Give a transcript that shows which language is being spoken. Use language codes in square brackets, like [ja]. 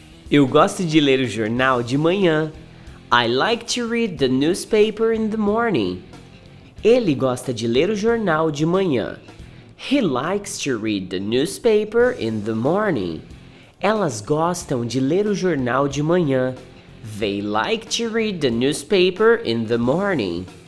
[pt] Eu gosto de ler o jornal de manhã. [en] I like to read the newspaper in the morning. [pt] Ele gosta de ler o jornal de manhã. [en] He likes to read the newspaper in the morning. [pt] Elas gostam de ler o jornal de manhã. [en] They like to read the newspaper in the morning.